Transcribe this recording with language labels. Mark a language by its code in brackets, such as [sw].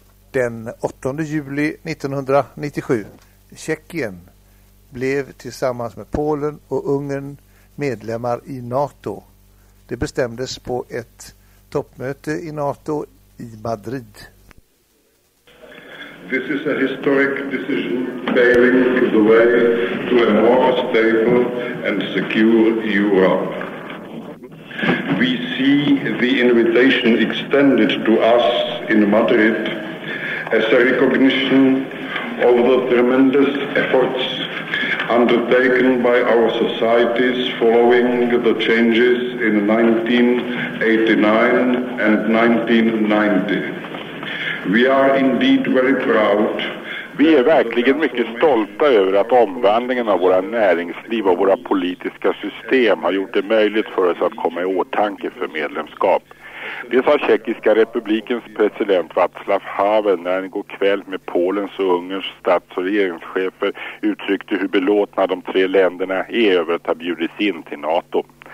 [sv] Den 8 juli 1997, Tjeckien blev tillsammans med Polen och Ungern medlemmar i NATO. Det bestämdes på ett toppmöte i NATO i Madrid. [en] This is a historic decision paving the way to a more stable and secure Europe. We see the invitation extended to us in Madrid as a recognition of the tremendous efforts undertaken by our societies following the changes in 1989 and 1990. We are indeed very proud. [sv] Vi är verkligen mycket stolta över att omvandlingen av våra näringsliv och våra politiska system har gjort det möjligt för oss att komma i åtanke för medlemskap. Det sa Tjeckiska republikens president Václav Havel när han igår kväll med Polens och Ungerns stats- och regeringschefer uttryckte hur belåtna de tre länderna är över att ha bjudits in till NATO.